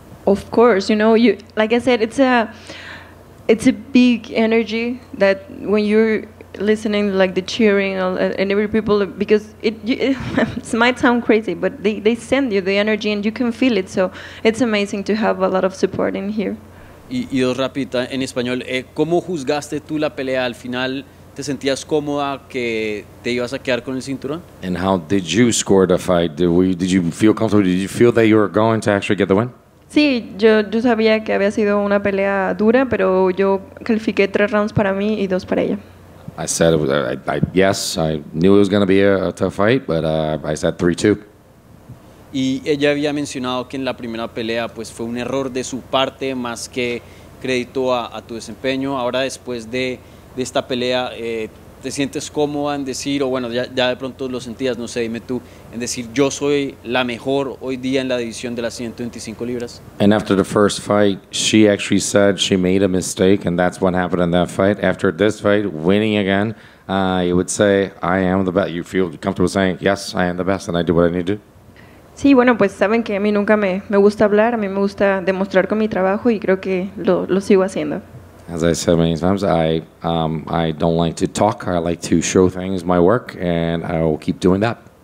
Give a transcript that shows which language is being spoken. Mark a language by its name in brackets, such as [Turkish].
[English] Of course, you know, you like I said, it's a big energy that when you're listening, like the cheering and every people, because it might sound crazy, but they send you the energy and you can feel it. So it's amazing to have a lot of support in here. [Spanish] Y dos rapiditas en español. ¿Cómo juzgaste tú la pelea al final? ¿Te sentías cómoda que te ibas a quedar con el cinturón? [English] And how did you score the fight? Did you feel comfortable? Did you feel that you were going to actually get the win? [Spanish] Sí, yo sabía que había sido una pelea dura, pero yo califiqué 3 rounds para mí y 2 para ella. [English] I said, I knew it was going to be a tough fight, but I said 3-2. [Spanish] Y ella había mencionado que en la primera pelea pues fue un error de su parte, más que crédito a tu desempeño. Ahora después de esta pelea, ¿te sientes cómoda en decir, o bueno, ya de pronto lo sentías, no sé, dime tú, en decir yo soy la mejor hoy día en la división de las 125 libras? [English] And after the first fight, she actually said she made a mistake, and that's what happened in that fight. After this fight, winning again, you would say, I am the best. You feel comfortable saying, yes, I am the best, and I do what I need to do. [Spanish] Sí, bueno, pues saben que a mí nunca me gusta hablar, a mí me gusta demostrar con mi trabajo y creo que lo sigo haciendo. [English] As I said many times, I don't like to talk, I like to show things, my work, and I will keep doing that.